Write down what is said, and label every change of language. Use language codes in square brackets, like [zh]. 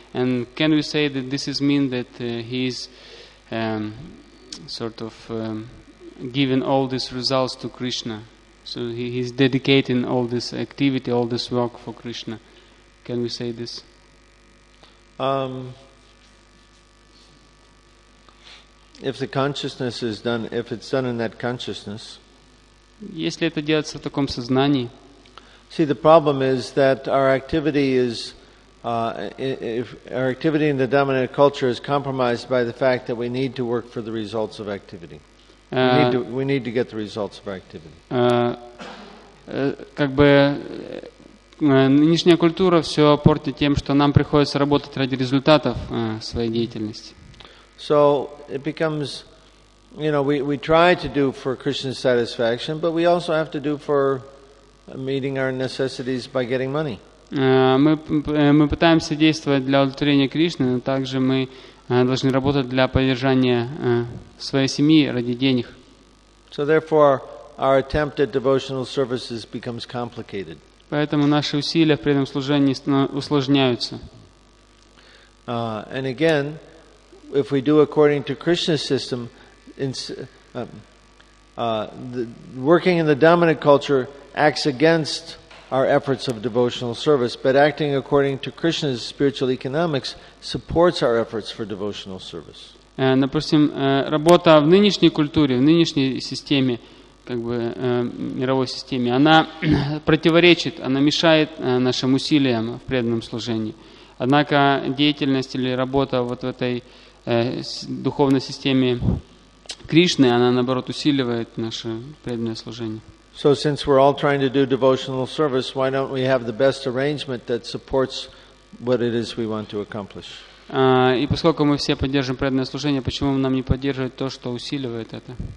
[en] And can we say that this is mean that he is sort of giving all these results to Krishna? So he's dedicating all this activity, all this work for Krishna. Can we say this? If the consciousness is done, if it's done in that consciousness. [ru] Если это делается в таком сознании. [en] See, the problem is that our activity is if our activity in the dominant culture is compromised by the fact that we need to work for the results of activity. We need to get the results of activity. [ru] Как бы нынешняя культура все портит тем, что нам приходится работать ради результатов своей деятельности. [en] So it becomes, you know, we try to do for Krishna's satisfaction, but we also have to do for meeting our necessities by getting money. [ru] Мы пытаемся действовать для удовлетворения Кришны, но также мы должны работать для поддержания своей семьи ради денег. [en] So therefore, our attempt at devotional services becomes complicated. [ru] Поэтому наши усилия в преданном служении усложняются. [en] And again, if we do according to Krishna's system, working in the dominant culture acts against our efforts of devotional service, but acting according to Krishna's spiritual economics supports our efforts for devotional service. [ru] Допустим, работа в нынешней культуре, в нынешней системе, как бы мировой системе, она противоречит, она мешает нашим усилиям в преданном служении. Однако деятельность или работа вот в этой духовной системе Кришны, она наоборот усиливает наше преданное служение. [en] So since we're all trying to do devotional service, why don't we have the best arrangement that supports what it is we want to accomplish? [ru] И поскольку мы все поддерживаем преданное служение, почему нам не поддерживать то, что усиливает это?